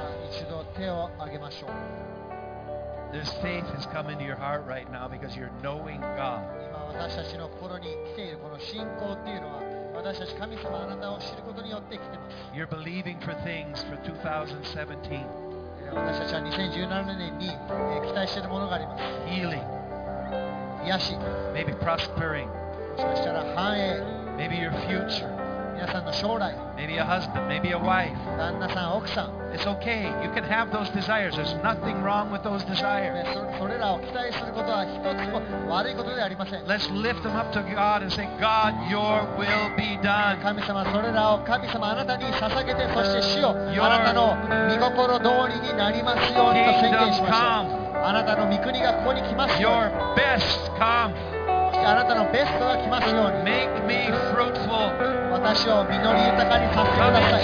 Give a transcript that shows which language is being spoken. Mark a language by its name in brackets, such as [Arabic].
[Japanese] 一度手を挙げましょう。 [English] This faith has come into your heart right now because you're knowing God. [Japanese] 今私たちの心に来ているこの信仰っていうのは私たち神様あなたを知ることによって来てます。 [English] You're believing for things for 2017. [Japanese] 私たちは2017年に期待しているものがあります。 [English] Healing. [Japanese] 癒し。 [English] Maybe prospering. [Japanese] もしかしたら繁栄。 [English] Maybe your future. [Japanese] 皆さんの将来。 [English] Maybe a husband, maybe a wife. [Japanese] 旦那さん、奥さん。 [English] It's okay. You can have those desires. There's nothing wrong with those desires. [Japanese] それらを期待することは一つも悪いことではありません。 [English] Let's lift them up to God and say, God, your will be done. [Japanese] 神様、それらを神様、あなたに捧げて、そして主よ、あなたの御心通りになりますようにと宣言しましょう。 [English] Kingdom come. [Japanese] あなたの御国がここに来ますように。 [English] Your best come. [Japanese] あなたのベストが来ますように。 [English] Make me fruitful. [Japanese] 私を実り豊かにさせてください。